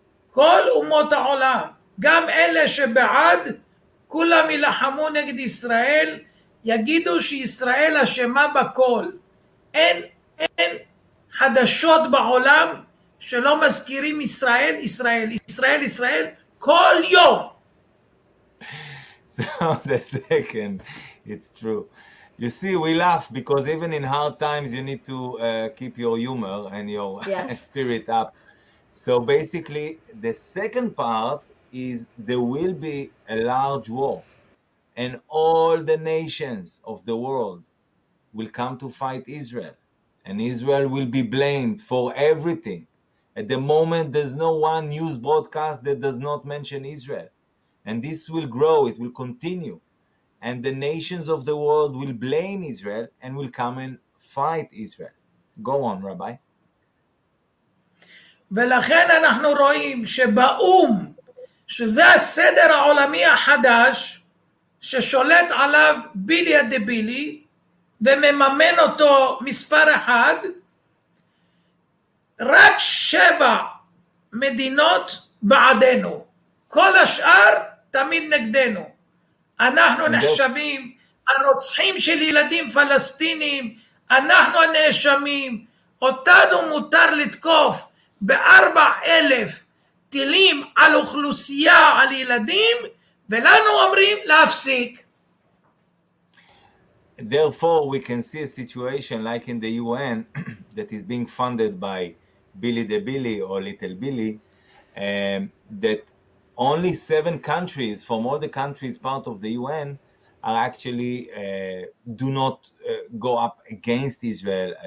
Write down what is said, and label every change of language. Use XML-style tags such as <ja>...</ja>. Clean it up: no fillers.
<he>כל אומות העולם. גם אלה שבעד כולם ילחמו נגד ישראל יגידו שישראל אשמה בכל. אין חדשות בעולם שלא מזכירים ישראל, ישראל, ישראל, ישראל כל יום.</he> <en>The second, it's true. You see, we laugh because even in hard times, you need to keep your humor and your yes. spirit up. So basically, the second part is there will be a large war and all the nations of the world will come to fight Israel and Israel will be blamed for everything. At the moment, there's no one news broadcast that does not mention Israel. And this will grow, it will continue. And the nations of the world will blame Israel and will come and fight Israel. Go on, Rabbi.</en> <he>ולכן אנחנו רואים שבאום, שזה הסדר העולמי החדש, ששולט עליו בילי הדבילי, ומממן אותו מספר אחד, רק שבע מדינות בעדנו. כל השאר, תמיד נגדנו. אנחנו נחשבים, הרוצחים של ילדים פלסטינים, אנחנו הנאשמים, אותנו מותר לתקוף ב-4,000 טילים על אוכלוסייה, על ילדים, ולנו אומרים להפסיק.</he> <en>Therefore, we can see a situation like in the UN that is being funded by Billy the Billy or Little Billy, that only 7 countries from all the countries part of the UN are actually do not go up against Israel.</en>